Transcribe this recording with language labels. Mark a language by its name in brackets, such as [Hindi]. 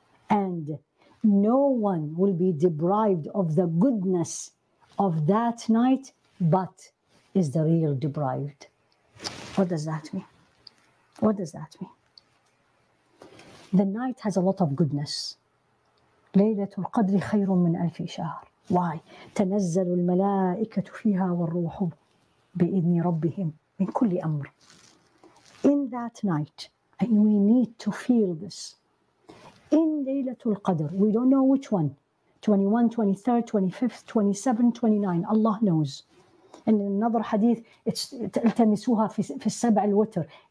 [English] And no one will be deprived of the goodness of that night, but is the real deprived. What does that mean? What does that mean? The night has a lot of goodness. [Arabic] Laylatul Qadri khayrun min alfi shahr. [English] Why? [Arabic] تنزل الملائكة فيها والروح بإذن ربهم من كل أمر. [English] In that night, and we need to feel this, in Laylatul Qadr, we don't know which one, 21, 23, 25, 27, 29, Allah knows. And in another hadith, it's [Arabic] التمسوها في السبع الوتر.